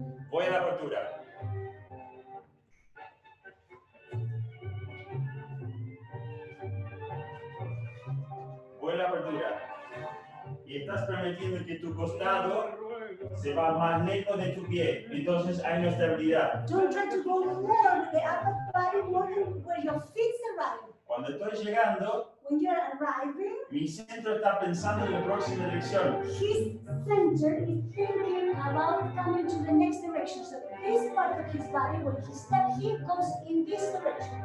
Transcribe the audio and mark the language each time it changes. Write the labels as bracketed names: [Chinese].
[Spanish] Voy a la apertura. Voy a la apertura. Y estás permitiendo que tu costado se va más lejos de tu pie. Entonces hay una estabilidad. [English] Don't try to go more. The upper body more than where your feet arrive. [Spanish] Cuando estoy llegando, [English] when you're arriving, [Spanish] mi centro está pensando en la próxima dirección. [English] His center is thinking about coming to the next direction. So this part of his body, when he steps here, goes in this direction.